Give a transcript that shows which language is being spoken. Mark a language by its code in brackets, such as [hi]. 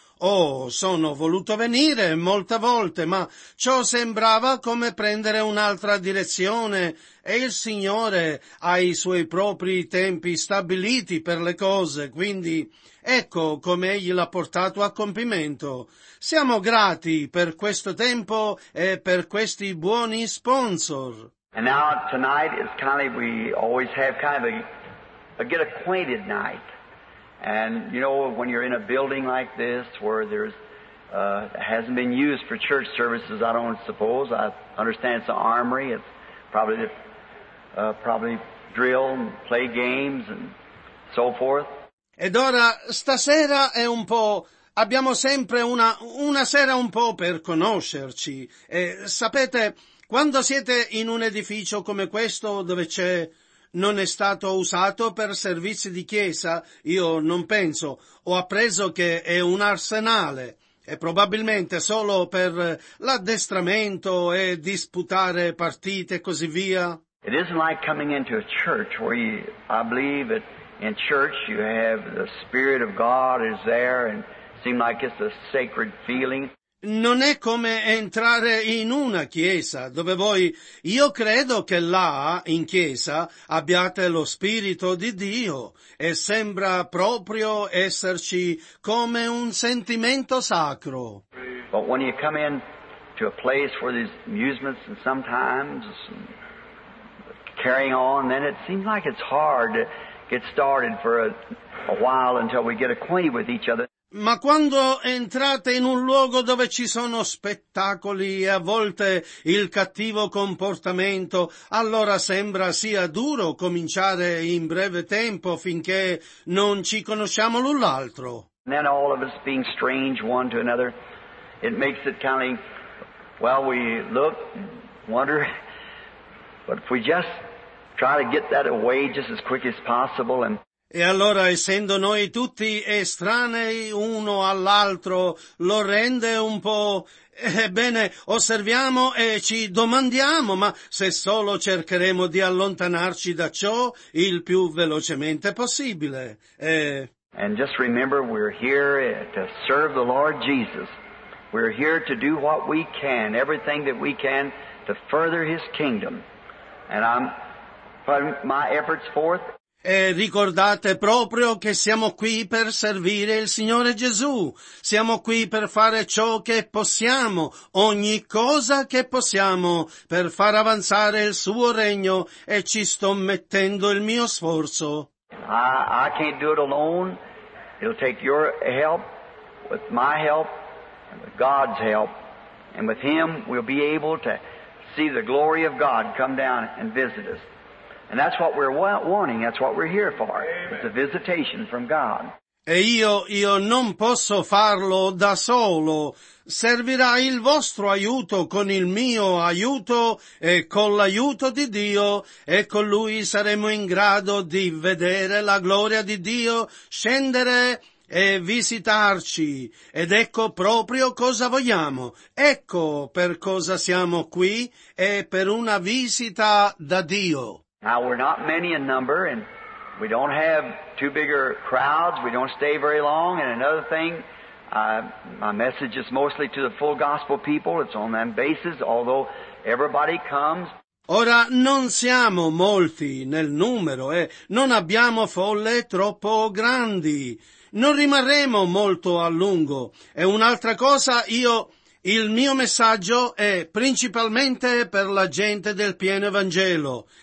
[it] Oh, sono voluto venire molte volte, ma ciò sembrava come prendere un'altra direzione e il Signore ha i suoi propri tempi stabiliti per le cose, quindi ecco come Egli l'ha portato a compimento. Siamo grati per questo tempo e per questi buoni sponsor. [en] And now tonight is kind of, we always have kind of a get acquainted night. And you know, when you're in a building like this where there's hasn't been used for church services, I don't suppose. I understand it's an armory. It's probably probably drill and play games and so forth. [it] Ed ora stasera è un po'. Abbiamo sempre una sera un po' per conoscerci. E sapete, quando siete in un edificio come questo dove c'è non è stato usato per servizi di chiesa, io non penso. Ho appreso che è un arsenale e probabilmente solo per l'addestramento e disputare partite e così via. [en] It isn't like coming into a church where I believe that in church you have the Spirit of God is there and seem like it's a sacred feeling. [it] Non è come entrare in una chiesa dove voi, io credo che là, in chiesa, abbiate lo Spirito di Dio e sembra proprio esserci come un sentimento sacro. [en] But when you come in to a place where there's amusements and sometimes carrying on, then it seems like it's hard to get started for a while until we get acquainted with each other. [it] Ma quando entrate in un luogo dove ci sono spettacoli e a volte il cattivo comportamento, allora sembra sia duro cominciare in breve tempo finché non ci conosciamo l'un l'altro. [en] And then all of us being strange one to another, it makes it kind of, well, we look, wonder, but if we just try to get that away just as quick as possible and... [it] E allora, essendo noi tutti estranei uno all'altro, lo rende un po'... Ebbene, osserviamo e ci domandiamo, ma se solo cercheremo di allontanarci da ciò il più velocemente possibile. [en] And just remember, we're here to serve the Lord Jesus. We're here to do what we can, everything that we can, to further His kingdom. And I'm putting my efforts forth. [it] E ricordate proprio che siamo qui per servire il Signore Gesù. Siamo qui per fare ciò che possiamo, ogni cosa che possiamo, per far avanzare il Suo regno e ci sto mettendo il mio sforzo. [en] I can't do it alone. It'll take your help, with my help, and with God's help. And with Him we'll be able to see the glory of God come down and visit us. And that's what we're wanting, that's what we're here for, is a visitation from God. [it] E io non posso farlo da solo. Servirà il vostro aiuto con il mio aiuto e con l'aiuto di Dio, e con Lui saremo in grado di vedere la gloria di Dio scendere e visitarci. Ed ecco proprio cosa vogliamo. Ecco per cosa siamo qui, e per una visita da Dio. [en] Now we're not many in number, and we don't have too bigger crowds, we don't stay very long, and another thing, my message is mostly to the full gospel people, it's on that basis, although everybody comes. [it] Ora non siamo molti nel numero e non abbiamo folle troppo grandi. Non rimarremo molto a lungo. E un'altra cosa, il mio messaggio è principalmente per la gente del pieno Evangelo.